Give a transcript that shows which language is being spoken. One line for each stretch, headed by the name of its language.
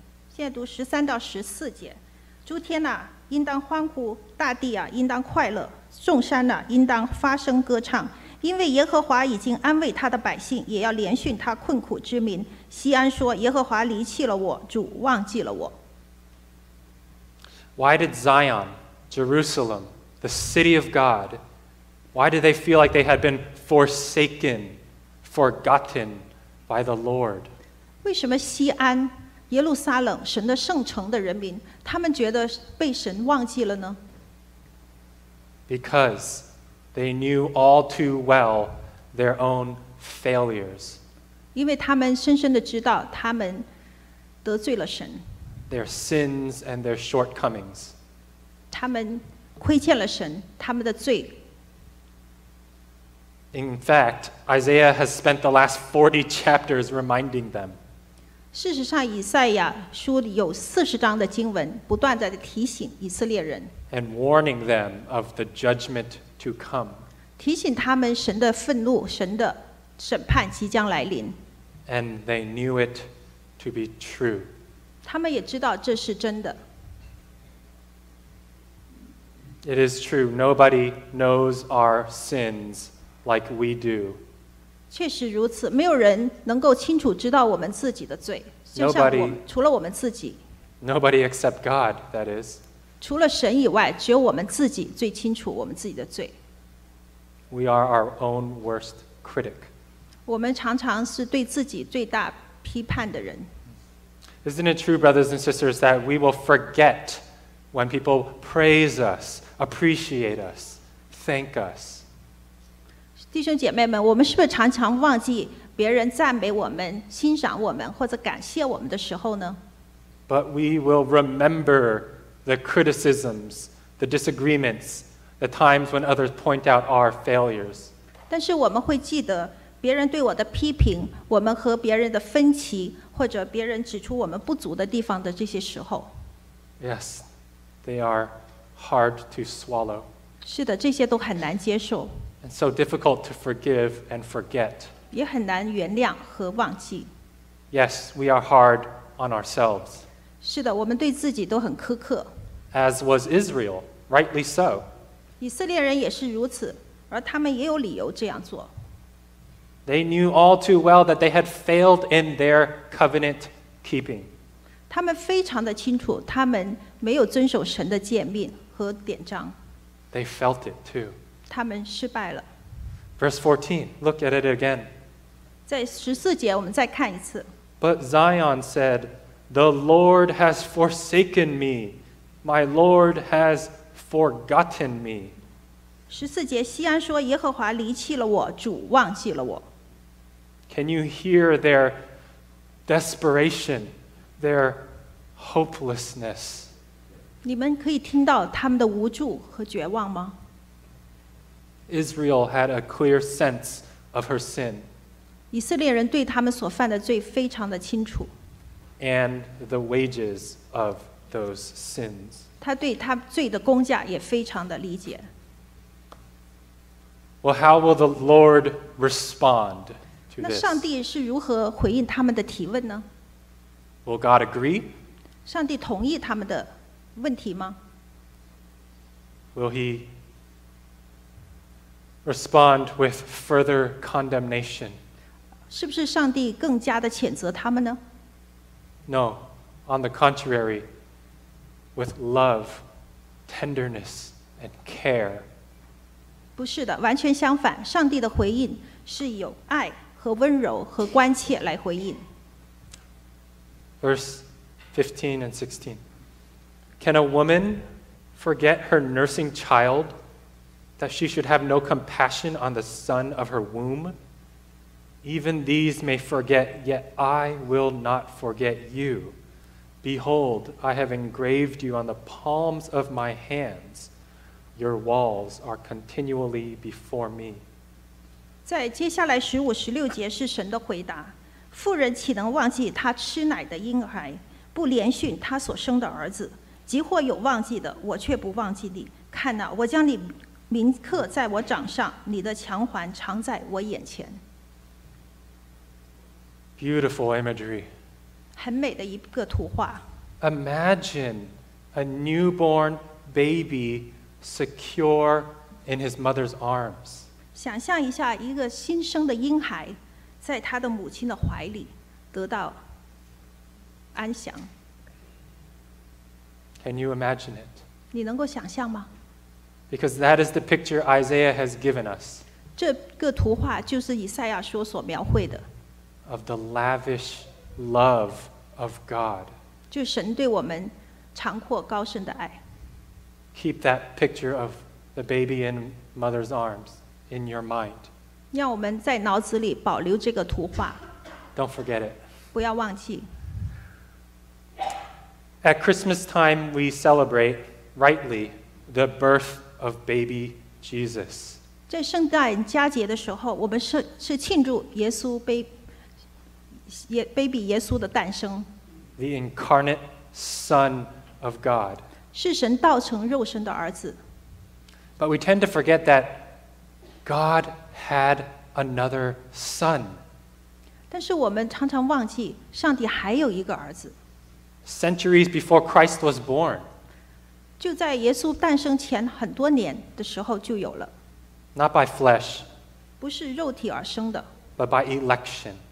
Chinese: 今天的经文是以赛亚书49章13到16节，现在读13到14节。诸天哪，应当欢呼，大地啊，应当快乐，众山哪，应当发声歌唱，因为耶和华已经安慰他的百姓，也要怜恤他困苦之民。锡安说：“耶和华离弃了我，主忘记了我。”
English: Why did Zion, Jerusalem, the city of God, why did they feel like they had been forsaken, forgotten by the Lord?
Chinese: 为什么锡安？耶路撒冷神的圣城的人民，他们觉得被神忘记了呢？
English: Because they knew all too well their own failures.
Chinese: 因为他们深深地知道他们得罪了神。
English: Their sins and their shortcomings.
Chinese: 他们亏欠了神，他们的罪。
English: In fact, Isaiah has spent the last 40 chapters reminding them.
Chinese: 事实上，以赛亚书有四十章的经文，不断地提醒以色列人。
English: And warning them of the judgment to come.
Chinese: 提醒他们神的愤怒，神的审判即将来临。
English: And they knew it to be true.
Chinese: 他们也知道这是真的。
English: It is true. Nobody knows our sins like we do.
Chinese: 确实如此，没有人能够清楚知道我们自己的罪，就像我
English: ，nobody,
Chinese: 除了我们自己。
English: Nobody except God, that is.
Chinese: 除了神以外，只有我们自己最清楚我们自己的罪。
English: We are our own worst critic.
Chinese: 我们常常是对自己最大批判的人。
English: Isn't it true, brothers and sisters, that we will forget when people praise us, appreciate us, thank us?
Chinese: 弟兄姐妹们，我们是不是常常忘记别人赞美我们、欣赏我们或者感谢我们的时候呢？
English: But we will remember the criticisms, the disagreements, the times when others point out our failures.
Chinese: 但是我们会记得别人对我的批评，我们和别人的分歧，或者别人指出我们不足的地方的这些时候。
English: Yes, they are hard to swallow.
Chinese: 是的，这些都很难接受。
English: And so difficult to forgive and forget.
Chinese: 也很难原谅和忘记。
English: Yes, we are hard on ourselves.
Chinese: 是的，我们对自己都很苛刻。
English: As was Israel, rightly so.
Chinese: 以色列人也是如此，而他们也有理由这样做。
English: They knew all too well that they had failed in their covenant keeping.
Chinese: 他们非常的清楚，他们没有遵守神的诫命和典章。
English: They felt it too.
Chinese: 他们失败了。
English: Verse 14, look at it again.
Chinese: 在十四节，我们再看一次。
English: But Zion said, "The Lord has forsaken me; my Lord has forgotten me."
Chinese: 十四节，锡安说：“耶和华离弃了我，主忘记了我。”
English: Can you hear their desperation, their hopelessness?
Chinese: 你们可以听到他们的无助和绝望吗？
English: Israel had a clear sense of her sin.
Chinese: 以色列人对他们所犯的罪非常的清楚。
English: And the wages of those sins.
Chinese: 他对他罪的工价也非常的理解。
English: Well, how will the Lord respond to this?
Chinese: 那上帝是如何回应他们的提问呢？
English: Will God agree?
Chinese: 上帝同意他们的问题吗？
English: Will he? Respond with further condemnation.
Chinese: 是不是上帝更加的谴责他们呢？
English: No, on the contrary, with love, tenderness, and care.
Chinese: 不是的，完全相反，上帝的回应是有爱和温柔和关切来回应。
English: Verse 15 and 16. Can a woman forget her nursing child? That she should have no compassion on the son of her womb. Even these may forget, yet I will not forget you. Behold, I have engraved you on the palms of my hands. Your walls are continually before me.
Chinese: 在接下来十五、十六节是神的回答：妇人岂能忘记她吃奶的婴孩，不怜恤她所生的儿子？即或有忘记的，我却不忘记你。看哪，我将你。铭刻在我掌上，你的强环常在我眼前。
English: Beautiful imagery.
Chinese: 很美的一个图画。
English: Imagine a newborn baby secure in his mother's arms.
Chinese: 想象一下一个新生的婴孩在他的母亲的怀里得到安详。
English: Can you imagine it?
Chinese: 你能够想象吗？
English: Because that is the picture Isaiah has given us.
Chinese: 这个图画就是以赛亚书所描绘的。
English: Of the lavish love of God.
Chinese: 就神对我们长阔高深的爱。
English: Keep that picture of the baby in mother's arms in your mind.
Chinese: 让我们在脑子里保留这个图画。
English: Don't forget it.
Chinese: 不要忘记。
English: At Christmas time, we celebrate rightly. The birth of baby Jesus.
Chinese: 在圣诞佳节的时候，我们 是庆祝耶稣 baby 耶稣的诞生。
English: The incarnate Son of God.
Chinese: 是神道成肉身的儿子。
English: But we tend to forget that God had another son.
Chinese: 但是我们常常忘记上帝还有一个儿子。
English: Centuries before Christ was born.
Chinese: 就在耶稣诞生前很多年的时候就有了。
English: Not by flesh.
Chinese: 不是肉体而生的。
English: But by election.